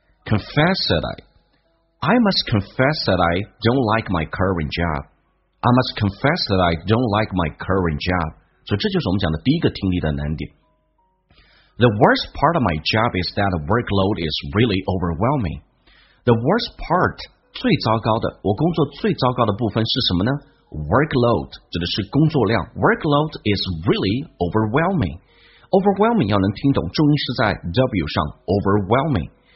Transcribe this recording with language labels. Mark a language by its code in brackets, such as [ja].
[en] I must confess that I don't like my current job. I must confess that I don't like my current job. [zh] 所以这就是我们讲的第一个听力的难点。 [en] The worst part of my job is that the workload is really overwhelming. The worst part, [zh] 最糟糕的，我工作最糟糕的部分是什么呢？ [en] Workload, [zh] 指的是工作量。 [en] Workload is really overwhelming. [zh] Overwhelming 要能听懂，重音是在 W 上， overwhelming.